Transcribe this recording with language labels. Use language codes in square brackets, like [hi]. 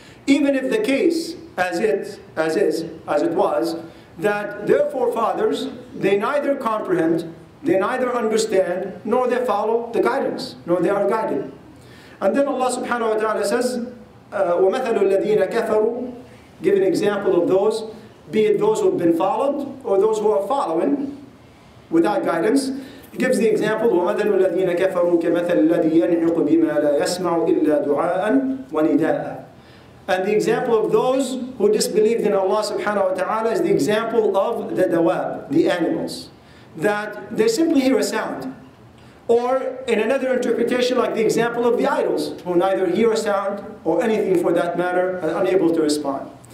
[en] Even if the case, as it was, that their forefathers, they neither comprehend, they neither understand, nor they follow the guidance, nor they are guided. And then Allah subhanahu wa ta'ala says, [ar] وَمَثَلُ الَّذِينَ كَفَرُوا, [en] give an example of those, be it those who have been followed, or those who are following, without guidance. [ar] He gives the example, وَمَثَلُ الَّذِينَ كَفَرُوا كَمَثَلُ الَّذِي يَنْعِقُ بِمَا لَا يَسْمَعُ إِلَّا دُعَاءً وَنِدَاءً. [en] And the example of those who disbelieved in Allah subhanahu wa ta'ala is the example of the dawab, the animals. That they simply hear a sound, Or in another interpretation, like the example of the idols, who neither hear a sound or anything for that matter, are unable to respond.